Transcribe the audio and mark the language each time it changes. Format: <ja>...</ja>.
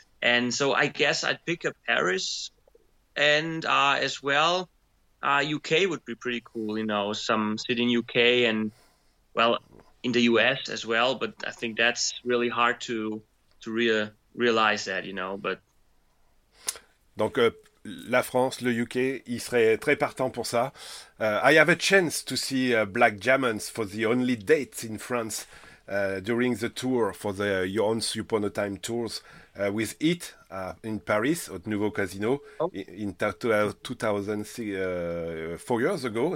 <en>And so I guess I'd pick up Paris, and as well, UK would be pretty cool, you know, some city in UK and, well, in the US as well, but I think that's really hard to realize that, you know, but...</en> <fr>Donc, la France, le UK, il serait très partant pour ça.</fr> <en>I have a chance to see Black Diamonds for the only dates in France during the tour for the Your Own Upon a Time tours with It in Paris, at Nouveau Casino, in 4 years ago.</en>